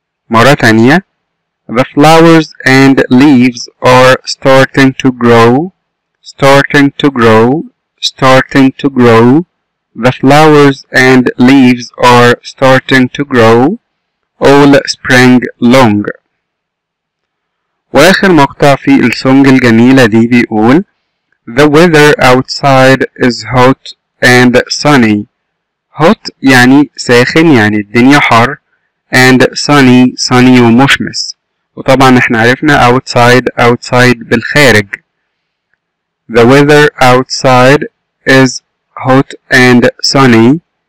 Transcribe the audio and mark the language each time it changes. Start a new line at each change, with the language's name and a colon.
Arabic: مرة تانية,
English: the flowers and leaves are starting to grow. The flowers and leaves are starting to grow all spring long.
Arabic: وآخر مقطع في السونج الجميلة دي بيقول
English: the weather outside is hot and sunny. Hot
Arabic: يعني ساخن يعني الدنيا حر,
English: and sunny
Arabic: ومشمس. وطبعا احنا عرفنا outside بالخارج.
English: The weather outside is hot and sunny.